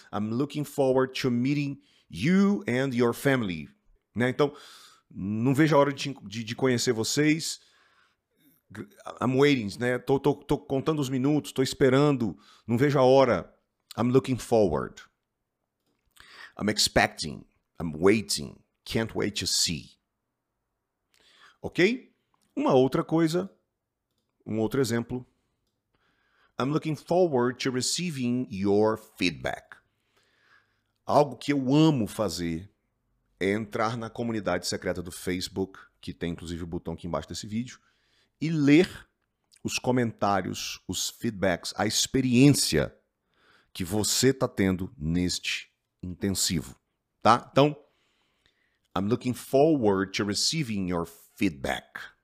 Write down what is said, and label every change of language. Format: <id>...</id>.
<en>I'm looking forward to meeting you and your family.</en> <pt>Né? Então, não vejo a hora de conhecer vocês.</pt> <en>I'm waiting,</en> <pt>né? Tô contando os minutos, tô esperando. Não vejo a hora.</pt> <en>I'm looking forward. I'm expecting. I'm waiting. Can't wait to see.</en> <pt>Ok? Uma outra coisa. Um outro exemplo.</pt> <en>I'm looking forward to receiving your feedback.</en> <pt>Algo que eu amo fazer é entrar na comunidade secreta do Facebook, que tem inclusive o botão aqui embaixo desse vídeo, e ler os comentários, os feedbacks, a experiência que você está tendo neste intensivo. Tá? Então,</pt> <en>I'm looking forward to receiving your feedback.</en>